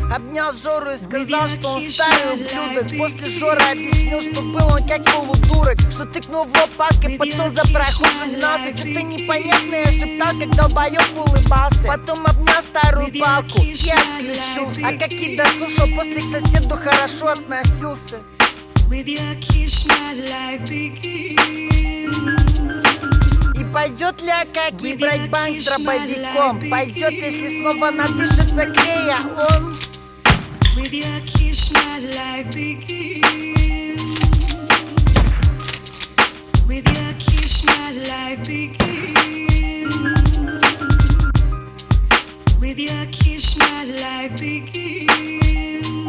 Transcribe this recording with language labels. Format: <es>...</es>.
<ru>Обнял Жору и сказал, что он старый ублюдок. После Жора объяснил, что был он как полудурок, что тыкнул в лоб палкой, потом за прохожим гнался. Что-то непонятное шептал, как долбоёб улыбался. Потом обнял старую палку и отключился. А как и дослушал, после к соседу хорошо относился.</ru> <en>With your kiss, my life begins.</en> <ru>И пойдет ли Акаки брать банк с дробовиком? Пойдет, если снова надышится клея он?</ru> <en>With your kiss, my life begins. With your kiss, my life begins. With your kiss, my life begins.</en>